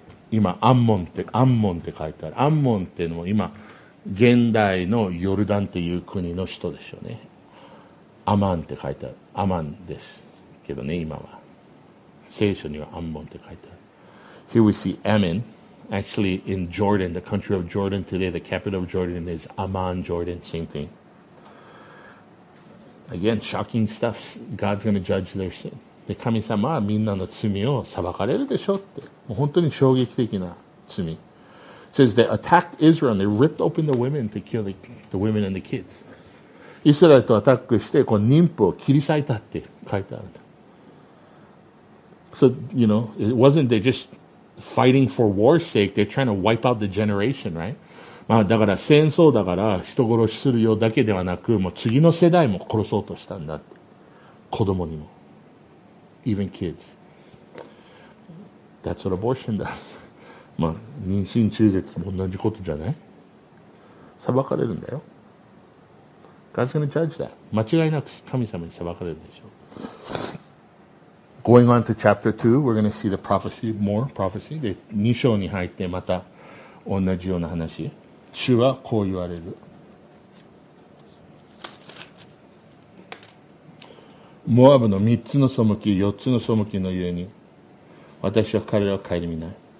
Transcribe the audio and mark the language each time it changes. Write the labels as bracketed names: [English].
[Japanese] 今アンモンって書いてある。アンモンっていうのも今現代のヨルダンっていう国の首都でしょうね。アマンって書いてある。アマンですけどね、今は聖書にはアンモンって書いてある。 [English] Here we see Ammon. Actually, in Jordan, the country of Jordan today, the capital of Jordan is Amman, Jordan. Same thing. Again, shocking stuff. God's going to judge their sin. [Japanese] で、神様はみんなの罪を裁かれるでしょって。もう本当に衝撃的な罪。 [English] Says they attacked Israel and they ripped open the women to kill the women and the kids. [Japanese] イスラエルとアタックして、この妊婦を切り裂いたって書いてある。 [English] So, you know, it wasn't they just... Fighting for war's sake, they're trying to wipe out the generation, right? [Japanese] まあだから戦争だから人殺しするようだけではなく、もう次の世代も殺そうとしたんだって。子供にも。 [English] Even kids. That's what abortion does. [Japanese] まあ妊娠中絶も同じことじゃない? 裁かれるんだよ。 [English] God's gonna judge that. [Japanese] 間違いなく神様に裁かれるでしょう。 [English] Going on to chapter 2, we're going to see the prophecy, more prophecy. [Japanese] で、2章に入ってまた同じような話。主はこう言われる。モアブの3つの背き、4つの背きのゆえに、私は彼らを顧みない。